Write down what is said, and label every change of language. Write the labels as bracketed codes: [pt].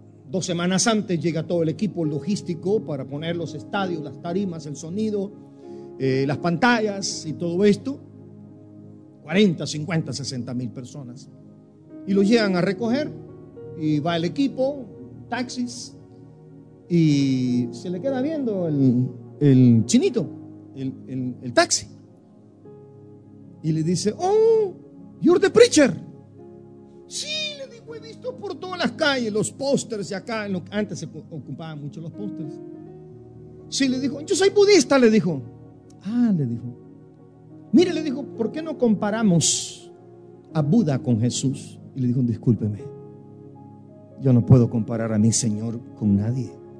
[es] 2 semanas antes llega todo el equipo logístico para poner los estadios, las tarimas, el sonido, las pantallas y todo esto. 40, 50, 60 mil personas. Y lo llegan a recoger y va el equipo, taxis, y se le queda viendo el chinito, el taxi. Y le dice: [en] oh, you're the preacher. [es] Sí. Por todas las calles, los pósters y acá, en lo que antes se ocupaban mucho los pósters. Sí, le dijo, yo soy budista, le dijo. Ah, le dijo. Mire, le dijo, ¿por qué no comparamos a Buda con Jesús? Y le dijo, discúlpeme, yo no puedo comparar a mi Señor con nadie.